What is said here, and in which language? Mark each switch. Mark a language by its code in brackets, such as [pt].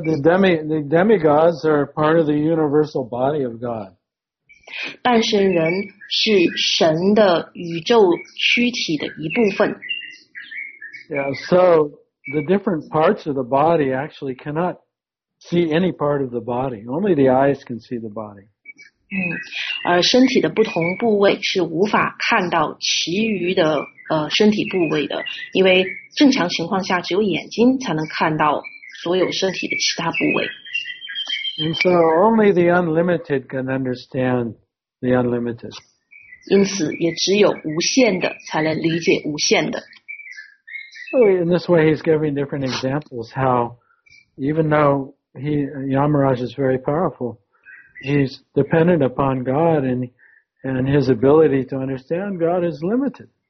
[en] the demigods are part of the universal body of God. [zh] 诞生人是神的宇宙躯体的一部分。 [en] Yeah, so the different parts of the body actually cannot see any part of the body. Only the eyes can see the body. [zh] 而身体的不同部位是无法看到其余的身体部位的，因为正常情况下只有眼睛才能看到所有身体的其他部位。 [en] And so only the unlimited can understand the unlimited. [zh] 因此也只有无限的才能理解无限的。 [en] So in this way he's giving different examples how even though Yamaraj is very powerful, he's dependent upon God, and his ability to understand God is limited.